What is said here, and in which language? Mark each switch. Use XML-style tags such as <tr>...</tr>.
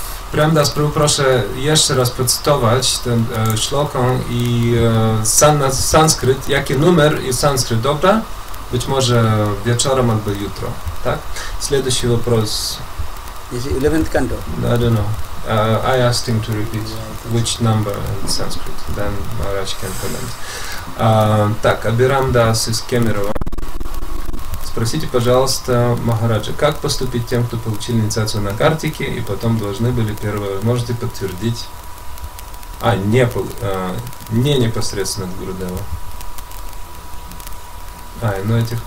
<uk>Прям да, спробую, прошу еще раз процитовать этот шлоком и санскрит, який номер и санскрит, добра?</uk> <ru>Быть может вечером, або утро, так? Следующий вопрос.</ru> <en>Is it 11th canto? I don't know. I asked him to repeat which number in Sanskrit, then Maharaj can comment.</en> <ru>Так, Абирам Дас из Кемерово. Спросите, пожалуйста, Махараджа, как поступить тем, кто получил инициацию на Картике и потом должны были первое, можете подтвердить, не непосредственно от Гурудева.</ru>